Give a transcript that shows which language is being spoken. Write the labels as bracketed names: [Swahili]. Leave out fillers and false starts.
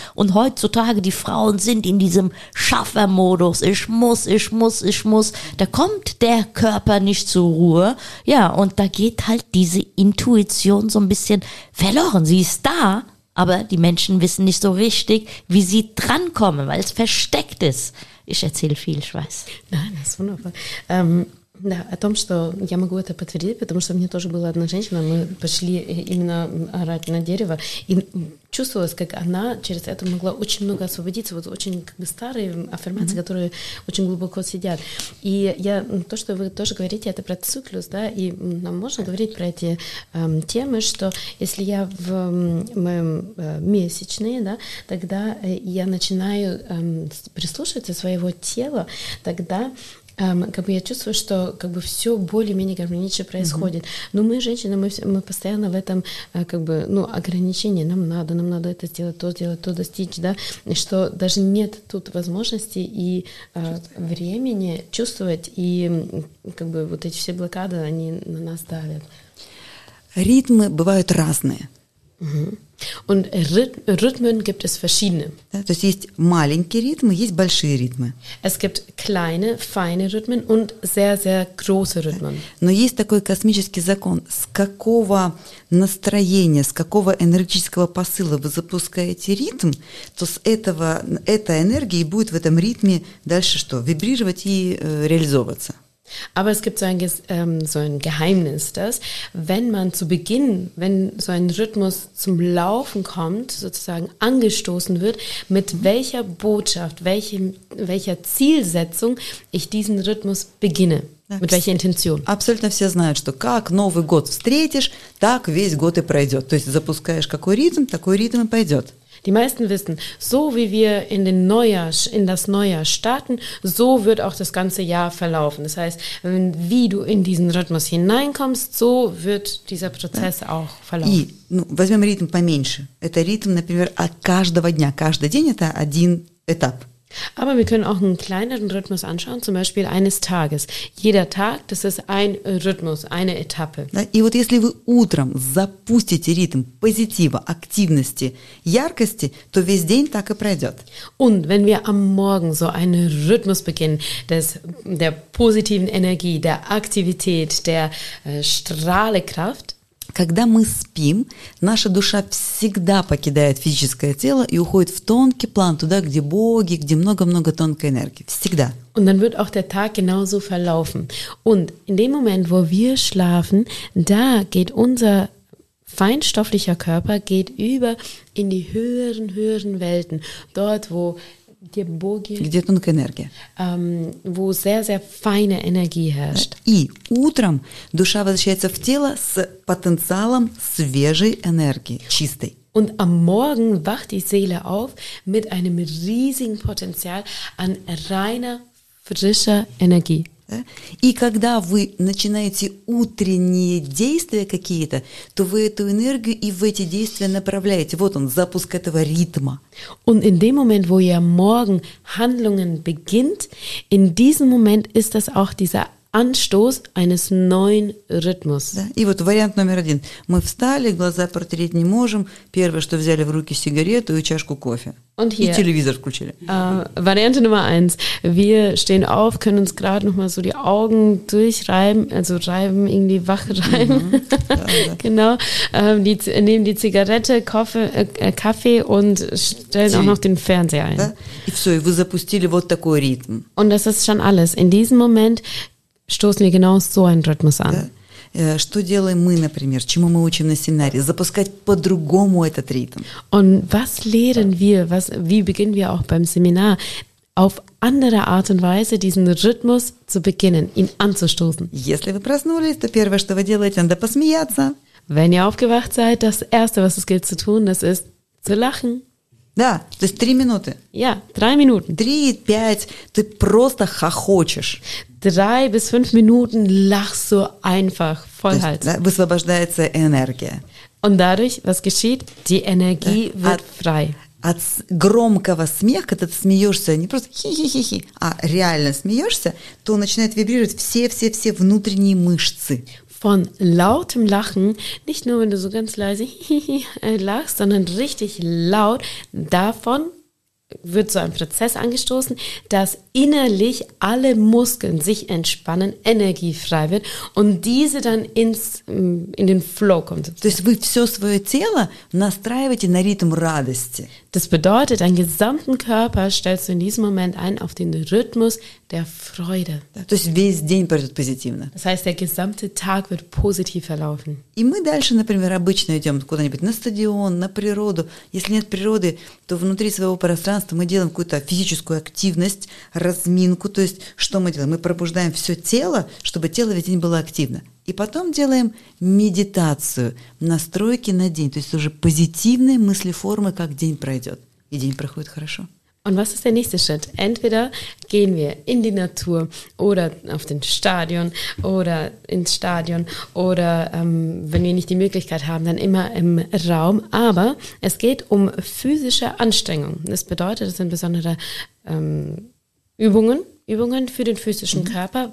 [German] Und heutzutage, die Frauen sind in diesem Schaffermodus, ich muss, ich muss, ich muss, da kommt der Körper nicht zur Ruhe, ja, und da geht halt diese Intuition so ein bisschen verloren, sie ist da, aber die Menschen wissen nicht so richtig, wie sie drankommen, weil es versteckt ist. Ich erzähle viel, ich weiß. Nein, das ist wunderbar. [Russian] Да, о том, что я могу это подтвердить, потому что мне тоже была одна женщина, мы пошли именно орать на дерево, и чувствовалось, как она через это могла очень много освободиться, вот очень как бы старые аффирмации, mm-hmm. которые очень глубоко сидят. И я, то, что вы тоже говорите, это про циклус, да, и нам можно говорить про эти темы, что если я в моем месячные, да, тогда я начинаю прислушиваться своего тела, тогда как бы я чувствую, что как бы все более-менее гармонично происходит. Mm-hmm. Но мы, женщины, мы постоянно в этом как бы, ну, ограничении. Нам надо это сделать, то достичь, да. И что даже нет тут возможности и времени чувствовать, и как бы вот эти все блокады, они на нас давят. Ритмы бывают разные. Mm-hmm. [German] Und Rhythmen gibt es verschiedene. [Russian] Да, то есть есть маленькие ритмы, есть большие ритмы. [German] Es gibt kleine, feine Rhythmen und sehr, sehr große Rhythmen. [Russian] Но есть такой космический закон. С какого настроения, с какого энергетического посыла вы запускаете ритм, то с этого, этой энергией будет в этом ритме дальше что? Вибрировать и реализовываться. [German] Aber es gibt so ein Geheimnis, dass wenn man zu Beginn, wenn so ein Rhythmus zum Laufen kommt, sozusagen angestoßen wird, mit welcher Botschaft, welcher Zielsetzung ich diesen Rhythmus beginne. Mit welcher Intention? [Russian] Абсолютно все знают, что как Новый год встретишь, так весь год и пройдет. То есть запускаешь какой ритм, такой ритм и пойдет. [German] Die meisten wissen, so wie wir in das Neujahr starten, so wird auch das ganze Jahr verlaufen. Das heißt, wie du in diesen Rhythmus hineinkommst, so wird dieser Prozess auch verlaufen. [Russian] Возьмем ритм поменьше. Это ритм, например, от каждого дня. Каждый день это один этап. [German] Aber wir können auch einen kleineren Rhythmus anschauen, zum Beispiel eines Tages. Jeder Tag, das ist ein Rhythmus, eine Etappe. [Russian] Да, и вот если вы утром запустите ритм позитива, активности, яркости, то весь день так и пройдет. [German] Und wenn wir am Morgen so einen Rhythmus beginnen, der positiven Energie, der Aktivität, der Strahlekraft. [Russian] Когда мы спим, наша душа всегда покидает физическое тело и уходит в тонкий план, туда, где боги, где много-много тонкой энергии. Всегда. [German] Und dann wird auch der Tag genauso verlaufen. Und in dem Moment, wo wir schlafen, da geht unser feinstofflicher Körper geht über in die höheren Welten. Dort, wo die [Russian] боги, где тонкая энергия. [German] Wo sehr, sehr feine Energie herrscht. [Russian] И утром душа возвращается в тело с потенциалом свежей энергии, чистой. [German] Und am Morgen wacht die Seele auf mit einem riesigen Potenzial an reiner, frischer Energie. [Russian] И когда вы начинаете утренние действия какие-то, то вы эту энергию и в эти действия направляете. Вот он, запуск этого ритма. [German] Und in dem Moment, wo ihr morgen Handlungen beginnt, in diesem Moment ist das auch dieser Anstoß eines neuen Rhythmus. [Russian] Да? И вот вариант номер один. Мы встали, глаза протереть не можем. Первое, что взяли в руки, сигарету и чашку кофе. [German] Und hier, [Russian] и телевизор включили. [German] Variante Nummer eins. Wir stehen auf, können uns gerade nochmal so die Augen durchreiben, also reiben, irgendwie wach reiben. Mm-hmm. Genau. Nehmen die Zigarette, Kaffee und stellen auch noch den Fernseher ein. [Russian] Да? И все, и вы запустили вот такой ритм. [German] Und das ist schon alles. In diesem Moment stoßen wir genau so einen Rhythmus an. [Russian] Что делаем мы, например, чему мы учим на семинаре? Запускать по-другому этот ритм. [German] Und was lehren wir, wie beginnen wir auch beim Seminar, auf andere Art und Weise diesen Rhythmus zu beginnen, ihn anzustoßen? [Russian] Если вы проснулись, то первое, что вы делаете, надо посмеяться. [German] Wenn ihr aufgewacht seid, das Erste, was es gilt zu tun, das ist zu lachen. [Russian] Да, то есть 3 минуты. [German] Ja, [Russian] 3 минуты. 3-5, ты просто хохочешь. [German] 3-5 Minuten lachst du einfach, vollhals. [Russian] Да, высвобождается энергия. [German] Und dadurch, was geschieht? Die Energie wird frei. [Russian] От громкого смеха, когда ты смеешься, не просто хи-хи-хи-хи, а реально смеешься, то начинают вибрировать все-все-все внутренние мышцы. [German] Von lautem Lachen, nicht nur, wenn du so ganz leise lachst, sondern richtig laut, davon wird so ein Prozess angestoßen, dass innerlich alle Muskeln sich entspannen, Energie frei wird und diese dann in den Flow kommt. Das heißt, [Russian] вы все свое тело настраиваете на ритм радости. [German] Das bedeutet, deinen gesamten Körper stellst du in diesem Moment ein auf den Rhythmus der Freude. [Russian] То есть весь день пройдет позитивно. [German] Das heißt, der gesamte Tag wird positiv verlaufen. [Russian] И мы дальше, например, обычно идем куда-нибудь на стадион, на природу. Если нет природы, то внутри своего пространства мы делаем какую-то физическую активность, разминку. То есть что мы делаем? Мы пробуждаем все тело, чтобы тело весь день было активно. И потом делаем медитацию, настройки на день. То есть уже позитивные мыслеформы, как день пройдет. И день проходит хорошо. [German] Und was ist der nächste Schritt? Entweder gehen wir in die Natur oder auf den Stadion oder ins Stadion oder wenn wir nicht die Möglichkeit haben, dann immer im Raum. Aber es geht um physische Anstrengung. Das bedeutet, es sind besondere Übungen für den physischen Körper.